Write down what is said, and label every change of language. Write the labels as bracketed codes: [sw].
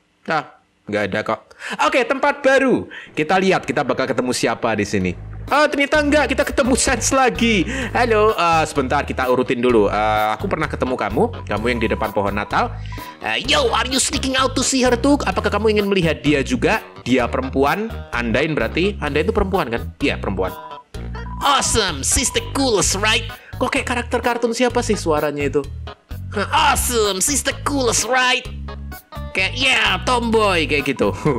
[id] Nah, enggak ada kok. Oke, tempat baru. Kita lihat kita bakal ketemu siapa di sini. Oh, ternyata enggak. Kita ketemu Sans lagi. Halo, sebentar. Kita urutin dulu. Aku pernah ketemu kamu. Kamu yang di depan pohon Natal. [en] Yo, are you sneaking out to see her too? [id] Apakah kamu ingin melihat dia juga? Dia perempuan. Andain berarti. Andain itu perempuan kan? Iya, perempuan. Awesome. [en] She's the coolest, right? [id] Kok kayak karakter kartun siapa sih suaranya itu? Awesome. [en] She's the coolest, right? [id] Kayak, yeah, tomboy. Kayak gitu.